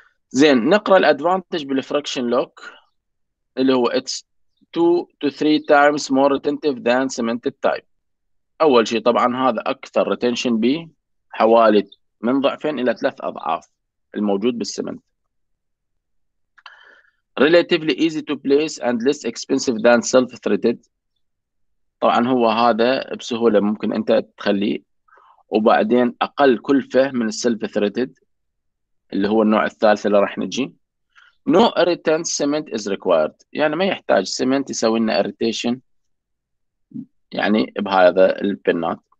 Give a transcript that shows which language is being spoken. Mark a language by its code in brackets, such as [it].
[ar] زين، نقرا الادفانتج بالفراكشن لوك اللي هو [en] It's 2 to 3 times more retentive than cemented type. [ar] اول شيء طبعا هذا اكثر ريتنشن بي، حوالي من ضعفين الى ثلاث اضعاف الموجود بالسمنت. [en] Relatively easy to place and less expensive than self-threaded. [ar] طبعا هو هذا بسهولة ممكن انت تخليه، وبعدين اقل كلفة من self-threaded اللي هو النوع الثالث اللي راح نجي. [en] No irritant cement is required. [ar] يعني ما يحتاج سمنت يسوي لنا irritation يعني بهذا البنات.